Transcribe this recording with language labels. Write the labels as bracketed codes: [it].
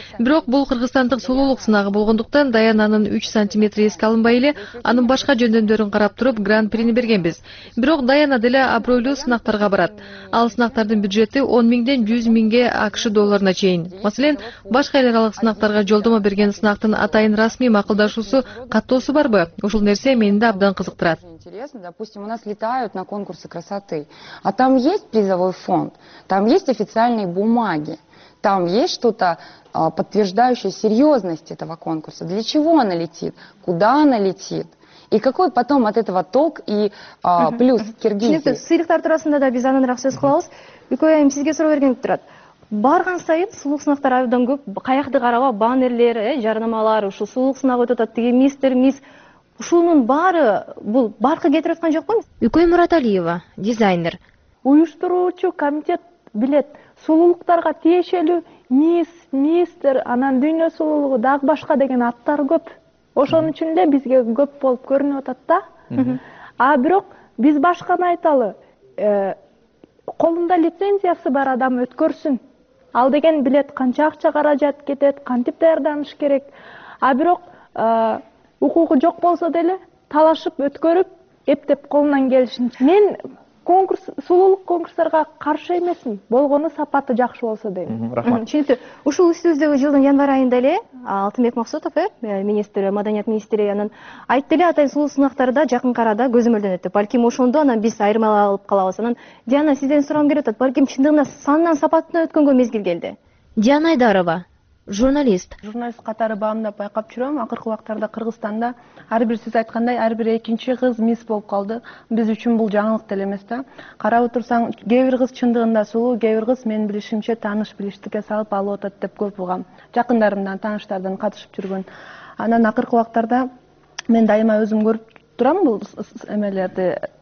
[ky] Бирок бул кыргызстандык сулуулук сынагы болгондуктан Даянанын 3 сантиметри эске алынбай эле анын башка жөндөмдөрүн карап туруп гран-прини бергенбиз. Бирок Даяна деле абройлуу сынактарга барат. Ал сынактардын бюджети 10,000 100 000 АКШ долларына чейин. Масален, башка эл аралык сынак сынактарга жолдомо берген сынактын атайын расмий макулдашуусу, каттоосу барбы? Ушул нерсе мени да абдан кызыктырат. [ru] Интересно, допустим, у нас летают на конкурсы красоты, а там есть призовой фонд, там есть официальные бумаги, там есть что-то подтверждающее серьезность этого конкурса, для чего она летит, куда она летит. И какой потом от этого ток и плюс Киргизии? [ky] Сыйлыктар турасында да биз анан сөз кылабыз. Бүкөй айым сизге суроо бергенип турат. Барган сайын сулуулук сынактар абдан көп, каякты карабы, баннерлер, жарнамалар, ушул сулуулук сынагы өтүп атат, тиги мистер, мисс, ушунун баары бул баркы кетирип аткан жокпу? Үкөй Мураталиева, дизайнер. Уюштуруучу комитет билет, сулуулуктарга тиешелүү мисс, мистер, анан дүйнө сулуулугу, дагы башка деген аттар көп. Ошон үчүн эле бизге көп болуп көрүнүп атат да. А бирок биз башканы айталы, колунда лицензиясы бар адам өткөрсүн. Ал деген билет, канча акча каражат кетет, кантип даярданыш керек. А бирок укугу жок болсо деле талашып өткөрүп эптеп колунан келишин. Мен конкурс сулулук конкурстарга каршы эмесмин, болгону сапаты жакшы болсо дейм. Рахмат. Чүнкү ушул сөздөгү жылдын январь айында эле Алтынбек Максутов министр, маданият министри анын айтты эле атайын сулуу сынактарда жакынкы арада көзөмөлдөнөт деп. Балким ошондо анан биз айырмалык алып калабыз. Анан Диана, сизден сурагым келип атат, балким чындыгында сандан сапатына өткөнгө мезгил келди. Диана Айдарова, журналист. Журналист катары баамдап байкап жүрөм. Акыркы убактарда Кыргызстанда ар бир сиз айткандай ар бир экинчи кыз мисс болуп калды. Биз үчүн бул жаңылык деле эмес да. Карап отурсаң, кээ бир кыз чындыгында сулуу, кээ бир кыз менин билишимче тааныш билиштикке салып алып атат деп көп угам. Жакындарымдан, тааныштардан катышып жүргөн. Анан акыркы убактарда мен дайыма өзүм көрүп турам бул эмелерди.